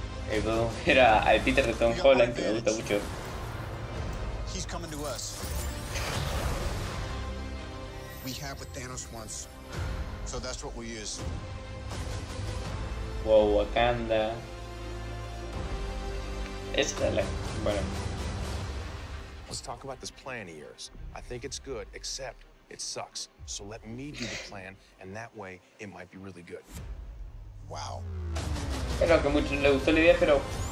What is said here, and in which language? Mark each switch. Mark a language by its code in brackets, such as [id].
[es] Hey, podemos ver al Peter de Tom Holland, que me gusta mucho. [en] He's coming to us. We have what Thanos wants. So that's what we use. Wow, Wakanda. [es] Esta es la. Bueno. [en] Let's talk about this plan of yours. I think it's good, except it sucks. So let me do the plan, and that way it might be really good. Wow. [es] Creo que a muchos les gustó la idea, pero.